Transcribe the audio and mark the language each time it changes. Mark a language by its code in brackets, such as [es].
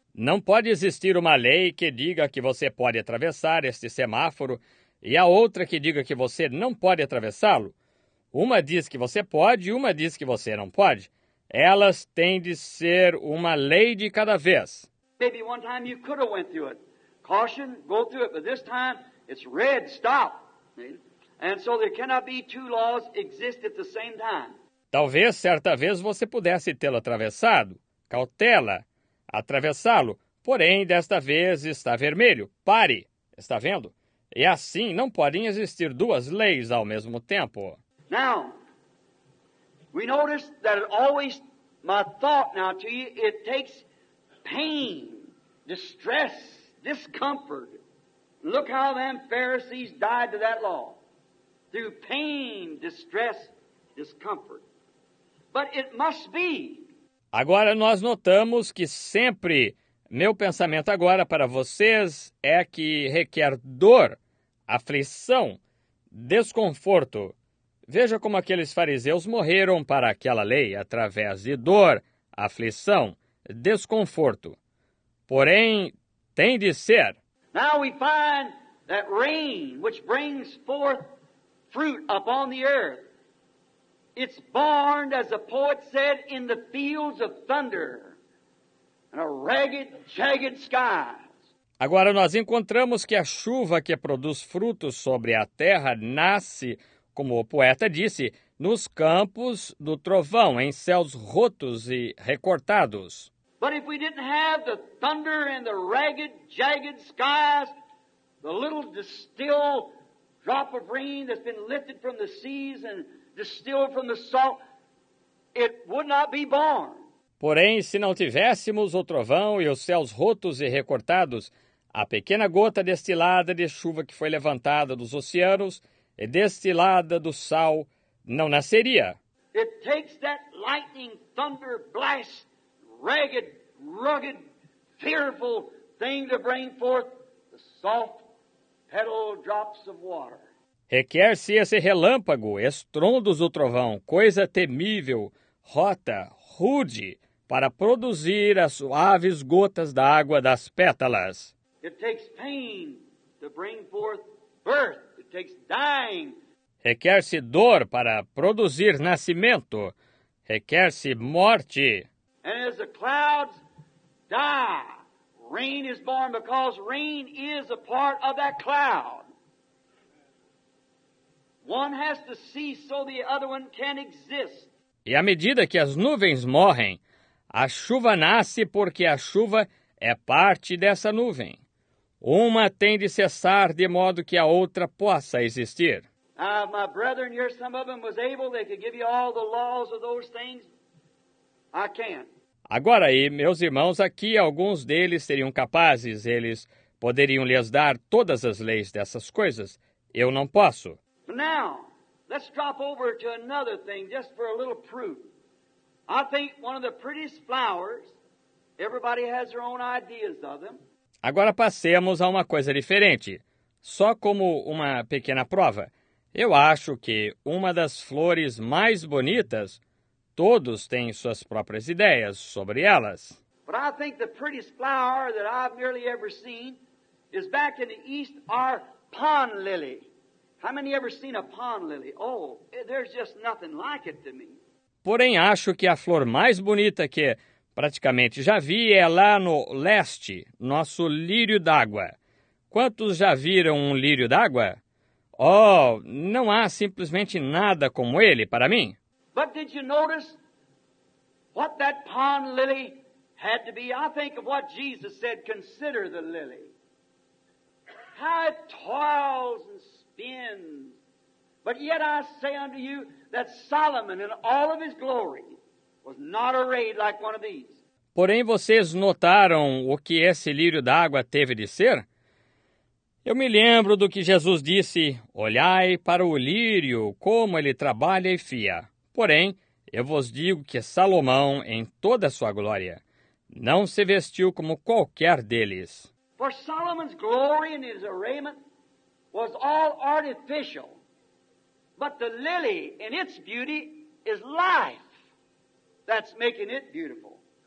[pt] Não pode existir uma lei que diga que você pode atravessar este semáforo e a outra que diga que você não pode atravessá-lo. Uma diz que você pode e uma diz que você não pode. Elas têm de ser uma lei de cada vez. [en] Maybe one time you could have went through it. Caution, go through it, but this time it's red, stop. And so there cannot be two laws exist at the same time. [pt] Talvez certa vez você pudesse tê-lo atravessado. Cautela, atravessá-lo. Porém, desta vez está vermelho. Pare, está vendo? E assim não podem existir duas leis ao mesmo tempo. [en] Now, we notice that always my thought now to you, it takes pain, distress, discomfort. Look how them Pharisees died to that law. Through pain, distress, discomfort. But it must be. [pt] Agora nós notamos que sempre meu pensamento agora para vocês é que requer dor, aflição, desconforto. Veja como aqueles fariseus morreram para aquela lei através de dor, aflição, desconforto. Porém, tem de ser. [en] Now we find that rain which brings forth fruit upon the earth. It's born, as the poet said, in the fields of thunder and a ragged, jagged sky. [pt] Agora nós encontramos que a chuva que produz frutos sobre a terra nasce, como o poeta disse, nos campos do trovão, em céus rotos e recortados. [en] But if we didn't have the thunder and the ragged, jagged skies, the little distilled drop of rain that's been lifted from the seas and distilled from the salt, it would not be born. [pt] Porém, se não tivéssemos o trovão e os céus rotos e recortados, a pequena gota destilada de chuva que foi levantada dos oceanos e destilada do sal não nasceria. [en] It takes that lightning, thunder, blast, ragged, rugged, fearful thing to bring forth the salt petal drops of water. [pt] Requer-se esse relâmpago, estrondos do trovão, coisa temível, rota, rude, para produzir as suaves gotas da água das pétalas. [en] It takes pain to bring forth birth. It takes dying. [pt] Requer-se dor para produzir nascimento. Requer-se morte. [en] And as the clouds die, rain is born because rain is a part of that cloud. One has to see so the other one can exist. [pt] E à medida que as nuvens morrem, a chuva nasce porque a chuva é parte dessa nuvem. Uma tem de cessar de modo que a outra possa existir. [en] My brethren, here some of them was able, they could give you all the laws of those things. I can't. [pt] Agora aí, meus irmãos, aqui alguns deles seriam capazes, eles poderiam lhes dar todas as leis dessas coisas. Eu não posso. [en] Now, let's drop over to another thing just for a little proof. I think one of the prettiest flowers, everybody has their own ideas of them. [pt] Agora passemos a uma coisa diferente, só como uma pequena prova. Eu acho que uma das flores mais bonitas, todos têm suas próprias ideias sobre elas. [en] But I think the prettiest flower that I've nearly ever seen is back in the east, our pond lily. How many ever seen a pond lily? Oh, there's just nothing like it to me. [pt] Porém, acho que a flor mais bonita que praticamente já vi é lá no leste, nosso lírio d'água. Quantos já viram um lírio d'água? Oh, não há simplesmente nada como ele para mim. [en] But did you notice what that pond lily had to be? I think of what Jesus said, consider the lily. How it toils and spins. But yet I say unto you that Solomon in all of his glory was not arrayed like one of these. [pt] Porém, vocês notaram o que esse lírio d'água teve de ser? Eu me lembro do que Jesus disse, olhai para o lírio, como ele trabalha e fia. Porém, eu vos digo que Salomão, em toda a sua glória, não se vestiu como qualquer deles. [en] For Solomon's glory and his arrayment was all artificial. But the lily in its beauty is life that's making it beautiful.